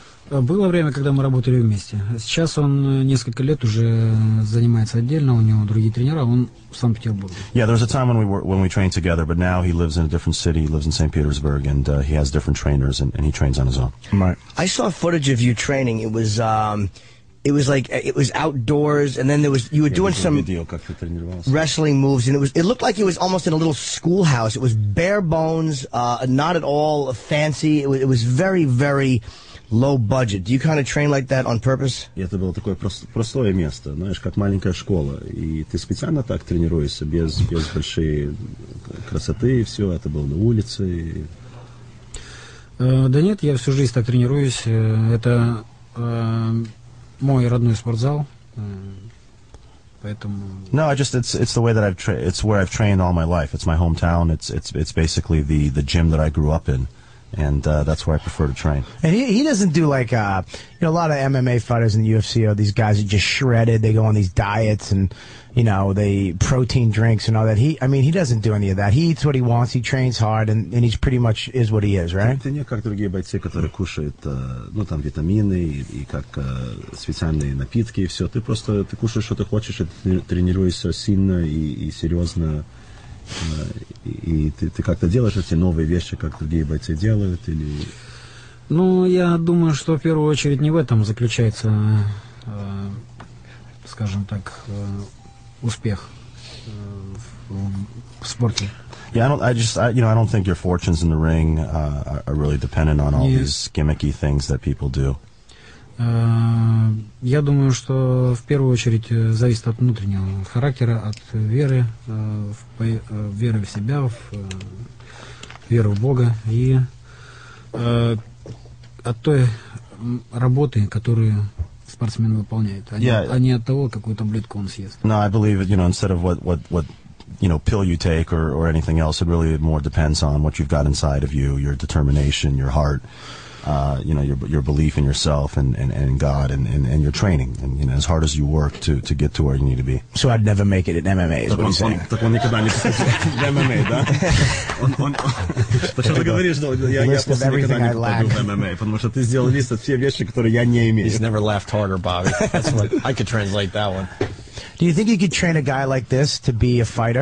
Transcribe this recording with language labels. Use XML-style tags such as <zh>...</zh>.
<ru>Было время, когда мы работали вместе. Сейчас он несколько лет уже занимается отдельно, у него другие тренера, он в Санкт-Петербурге.</ru> <en>Yeah, there was a time when we trained together, but now he lives in a different city, he lives in St. Petersburg, and he has different trainers, and he trains on his own. Right. I saw footage of you training. It was outdoors, and then there was you were doing some wrestling moves, and it looked like it was almost in a little schoolhouse. It was bare bones, not at all fancy. It was very, very low budget. Do you kind of train like that on purpose?</en> <ru>Это было такое простое место, знаешь, как маленькая школа, и ты специально так тренируешься без большой красоты и все. Это было на улице. Да нет, я всю жизнь так тренируюсь. Это мой родной спортзал.</ru> <en>No, I just it's the way that I've it's where I've trained all my life. It's my hometown. It's basically the gym that I grew up in, and that's where I prefer to train. And he doesn't do like you know, a lot of MMA fighters in the UFC are these guys who just shredded. They go on these diets and, you know, they protein drinks and all that. He doesn't do any of that. He eats what he wants. He trains hard, and he's pretty much is what he is, right?</en> <ru>Ты не как другие бойцы, которые кушают, ну там витамины и как специальные напитки и все. Ты просто ты кушаешь, что ты хочешь, и тренируешься сильно и серьезно. И ты как-то делаешь эти новые вещи, как другие бойцы делают, или? Ну, я думаю, что в первую очередь не в этом заключается, скажем так. Успех в спорте.</ru> <en>Yeah, I don't think your fortunes in the ring are really dependent on all these gimmicky things that people do.</en> <ru>Я думаю, что в первую очередь зависит от внутреннего характера, от веры, веры в себя, в веру в Бога и от той работы, которую спортсмен выполняет, а не от того, какую таблетку он съест.</ru> <en>No, I believe, you know, instead of what you know, pill you take or anything else, it really more depends on what you've got inside of you, your determination, your heart, you know, your belief in yourself and God and your training, and, you know, as hard as you work to get to where you need to be. So I'd never make it in MMA, is what he's saying.</en> <ru>Так он никогда не попадет в MMA, да? Почему ты говоришь, что я просто никогда не попаду в MMA, потому что ты сделал лист от всех вещей, которые я не имею.</ru> <en>He's never laughed harder, Bobby. That's what I could translate that one. Do you think you could train a guy like this to be a fighter?</en>